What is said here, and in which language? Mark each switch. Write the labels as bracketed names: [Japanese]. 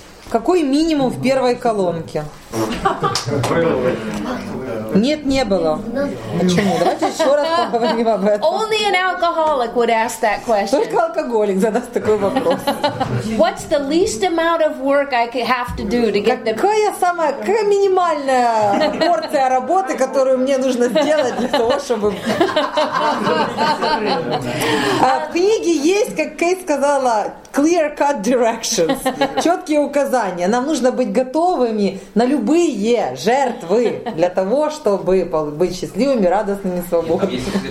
[Russian] Какой минимум в первой колонке? Нет, не было. Почему? Давайте еще раз поговорим об этом. [English] Only an alcoholic would ask that question. [Russian] Только алкоголик задаст такой вопрос. [English] What's the least amount of work I have to do to get the? [Russian] Какая минимальная порция работы, которую мне нужно сделать для того, чтобы? В книге есть, как Кейт сказала, [English] clear-cut directions, [Russian] четкие указания. Нам нужно быть готовыми на любые жертвы для того, чтобы быть счастливыми, радостными, свободными.